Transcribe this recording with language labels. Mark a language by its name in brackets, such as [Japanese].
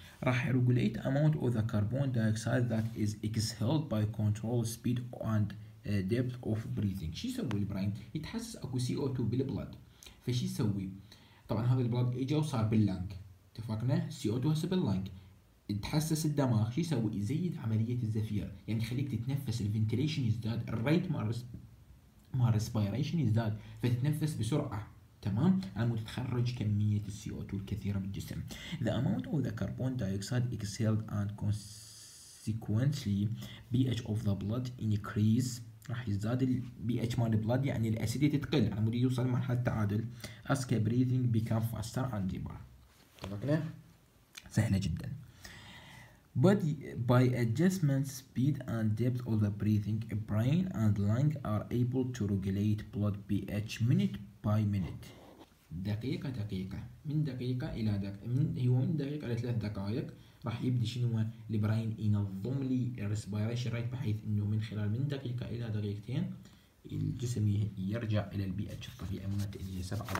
[Arabic] راح [English] regulate amount of the carbon dioxide that is exhaled by control speed and depth of breathing. [Arabic] شو يسوي البراين؟ يتحسس اكو CO2 بالبلد. فشو يسوي؟ طبعا هذا البلد اجا وصار باللانج. اتفقنا؟ CO2 هسه باللانج. تحسس الدماغ شو يسوي؟ يزيد عملية الزفير، يعني خليك تتنفس. الفنتيليشن يزداد، الريت مال ريسبيريشن يزداد، فتتنفس بسرعة. تمام، عم تخرج كمية السي او 2 الكثيرة بالجسم. [English] The amount of the carbon dioxide exhaled and consequently pH of the blood increase، [Arabic] راح يزداد البي اتش مال البلد، يعني الاسيديتي تقل عم يوصل لمرحلة تعادل. [English] As breathing become faster and deeper. [Arabic] اتفقنا؟ سهلة جدا. [English] But by adjustment speed and depth of the breathing, brain and lung are able to regulate blood pH minute by minute. [Arabic] دقيقة دقيقة، من دقيقة إلى دقيقة، من دقيقة إلى ثلاث دقائق راح يبدي شنو البراين ينظم لي الريسبيريشن ريت، بحيث إنه من خلال من دقيقة إلى دقيقتين الجسم يرجع إلى البي اتش الطبيعي مالته اللي هي 7.4.